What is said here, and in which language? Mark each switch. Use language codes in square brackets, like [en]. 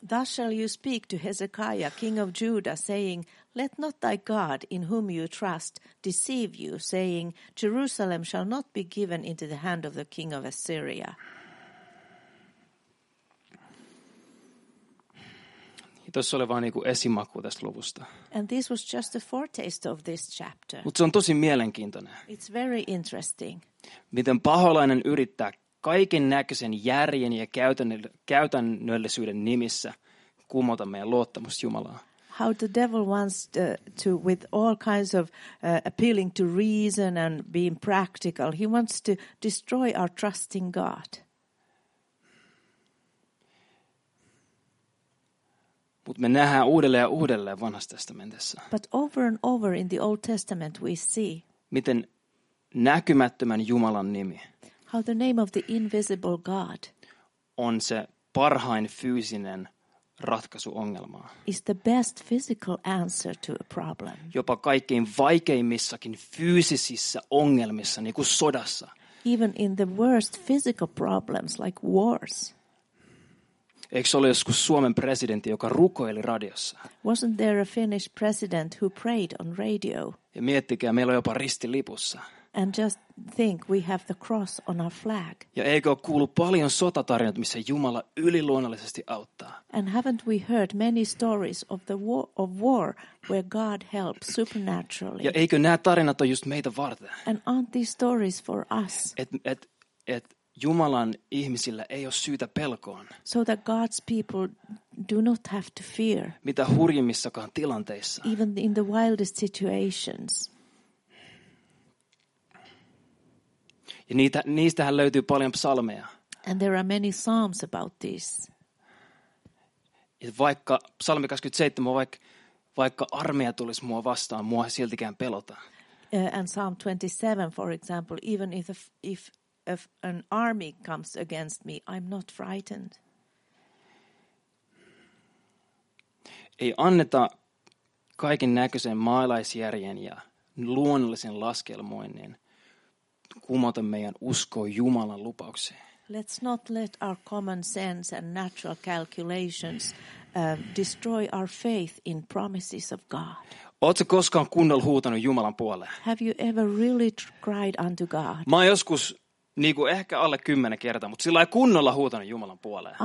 [en] Thus shall you speak to Hezekiah, king of Judah, saying, let not thy God, in whom you trust, deceive you, saying, Jerusalem shall not be given into the hand of the king of Assyria. [fi] Tuossa oli vain niinku esimaku tästä luvusta. [en] And this was just a foretaste of this chapter. [fi] Mutta se on tosi mielenkiintoinen. [en] It's very interesting. [fi] Miten paholainen yrittää kaiken näköisen järjen ja käytännöllisyyden nimissä kumota meidän luottamus Jumalaan. [en] How the devil wants to, with all kinds of appealing to reason and being practical, he wants to destroy our trust in God. [fi] Mut me nähdään uudelleen ja uudelleen Vanhassa testamentissa. [en] But over and over in the Old Testament we see. [fi] Miten näkymättömän Jumalan nimi. [en] How the name of the invisible God. [fi] On se parhain fyysinen ratkaisu ongelmaa. [en] Is the best physical answer to a problem. [fi] Jopa kaikkein vaikeimmissakin fyysisissä ongelmissa, niin kuin sodassa. [en] Even in the worst physical problems like wars. [fi] Eikö se ole joskus Suomen presidentti, joka rukoili radiossa? [en] Wasn't there a Finnish president who prayed on radio? [fi] Ja miettikää, meillä on jopa risti lipussa. [en] And just think, we have the cross on our flag. [fi] Ja eikö ole kuullut paljon sotatarinoita, missä Jumala yliluonnollisesti auttaa? [en] And haven't we heard many stories of the war, of war where God helps supernaturally? [fi] Ja eikö nämä tarinat ole just meitä varten? [en] And aren't these stories for us? [fi] Et Jumalan ihmisillä ei ole syytä pelkoon. [en] So that God's people do not have to fear. [fi] Mitä hurjimmissakaan tilanteissa. [en] Even in the wildest situations. [fi] Ja niistähän löytyy paljon psalmeja. [en] And there are many psalms about this. [fi] Ja vaikka psalmi 27, vaikka armeija tulisi mua vastaan, mua siltikään pelota. [en] And Psalm 27, for example, even if an army comes against me, I'm not frightened. [fi] Ei anneta kaiken näköisen maalaisjärjen ja luonnollisen laskelmoinnin kumota meidän uskoa Jumalan lupaukseen. [en] Let's not let our common sense and natural calculations destroy our faith in promises of God. [fi] Oletko koskaan kunnolla huutanut Jumalan puoleen? [en] Have you ever really cried unto God? [fi] Mä joskus niin kuin ehkä alle 10 kertaa, mutta sillä ei kunnolla huutanut Jumalan puoleen.